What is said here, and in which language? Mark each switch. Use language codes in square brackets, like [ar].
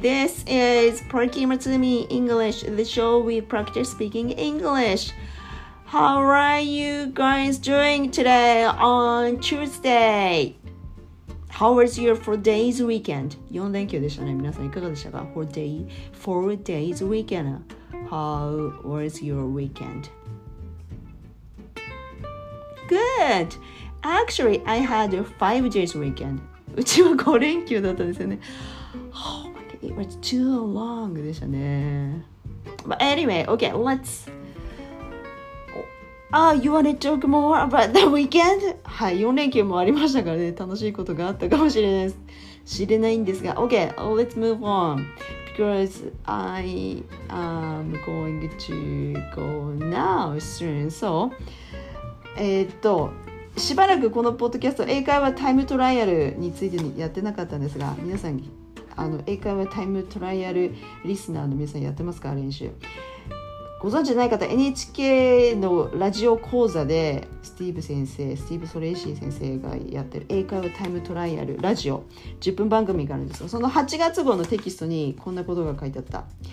[en] This is Pranky Matsumi English, the show we practice speaking English. How are you guys doing today on Tuesday? How was your 4 days weekend? [ja] 4連休でしたね。皆さんいかがでしたか? [en] 4 days weekend. How was your weekend? Good! Actually, I had a 5 days weekend. [ja] うちは5連休だったんですよね。 [en] Oh my god, it was too long [ja] でしたね。 [en] But anyway, okay, let's... Oh, you wanna talk more about the weekend? [ja] はい、4連休もありましたからね。楽しいことがあったかもしれないです。知れないんですが。 [en] Okay, let's move on. Because I am going to go now soon. [ja] So, しばらくこのポッドキャスト英会話タイムトライアルについてやってなかったんですが、皆さんあの英会話タイムトライアルリスナーの皆さんやってますか？練習ご存知ない方、 NHK のラジオ講座でスティーブ・ソレイシー先生がやってる英会話タイムトライアルラジオ10分番組があるんですが、その8月号のテキストにこんなことが書いてあった。